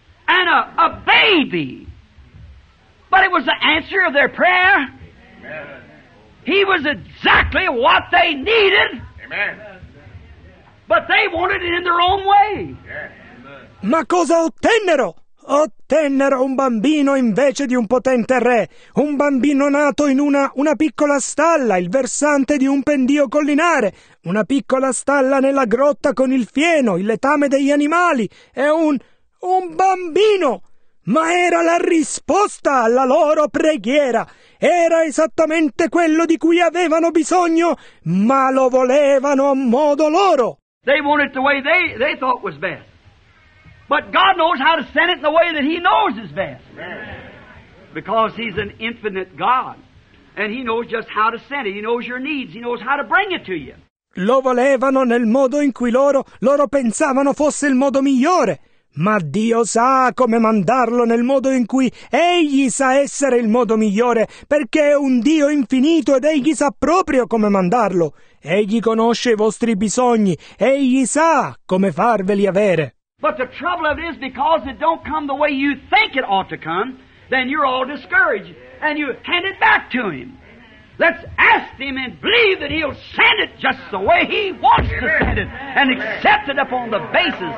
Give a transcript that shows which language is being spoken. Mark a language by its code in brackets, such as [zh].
[en] And a baby. But it was the answer of their prayer. Amen. He was exactly what they needed. Amen. But they wanted it in their own way. [it] Ma cosa ottennero? Ottennero un bambino invece di un potente re. Un bambino nato in una piccola stalla, il versante di un pendio collinare. Una piccola stalla nella grotta con il fieno, il letame degli animali. E un bambino! Ma era la risposta alla loro preghiera. Era esattamente quello di cui avevano bisogno, ma lo volevano a modo loro. [en] They want it the way they thought was best. But God knows how to send it in the way that He knows is best. Because He's an infinite God. And He knows just how to send it. He knows your needs. He knows how to bring it to you. [it] Lo volevano nel modo in cui loro pensavano fosse il modo migliore. Ma Dio sa come mandarlo nel modo in cui Egli sa essere il modo migliore, perché è un Dio infinito ed Egli sa proprio come mandarlo. Egli conosce i vostri bisogni, Egli sa come farveli avere. [en] But the trouble of it is, because it don't come the way you think it ought to come, then you're all discouraged, and you hand it back to Him. Let's ask Him and believe that He'll send it just the way He wants to send it, and accept it upon the basis.